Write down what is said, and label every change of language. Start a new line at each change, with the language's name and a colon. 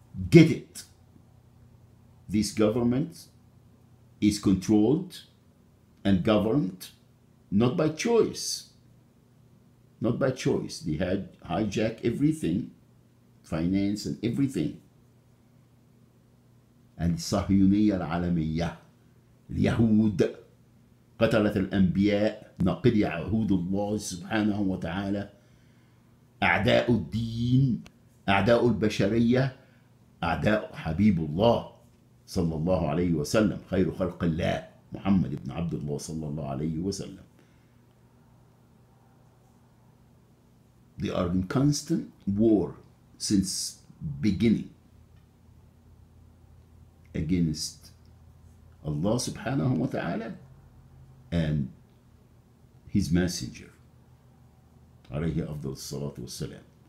English: Get it. This government is controlled and governed not by choice. Not by choice. They had hijacked everything, finance and everything.
Arabic: And الصهيونية العالمية اليهود قتلت الأنبياء نقضي عهود الله سبحانه وتعالى أعداء الدين أعداء البشرية أعداء حبيب الله صلى الله عليه وسلم خير خلق الله محمد بن عبد الله صلى الله عليه وسلم.
English: They are in constant war since beginning against Allah subhanahu wa ta'ala and His Messenger
Arabic: alayhi afdal salatu wassalam.